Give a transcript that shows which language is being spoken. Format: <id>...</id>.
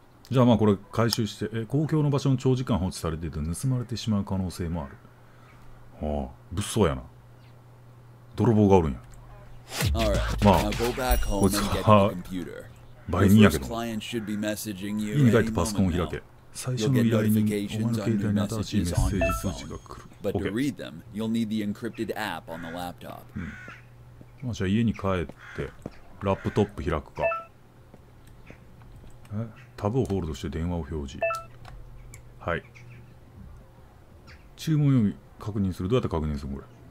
<ja>じゃあまあこれ回収して、公共の場所に長時間放置されていると盗まれてしまう可能性もある。ああ、物騒やな。泥棒がおるんや。まあ、こいつは、売人やけど。家に帰ってパソコンを開け。最初の依頼人、お前の携帯に新しいメッセージ通知が来る。</ja> <en>But to read them, you'll need the encrypted app on the laptop.</en> <ja>まあ、じゃあ家に帰ってラップトップ開くか。タブをホールドして電話を表示。はい。注文読み確認する。どうやって確認するこれ。</ja>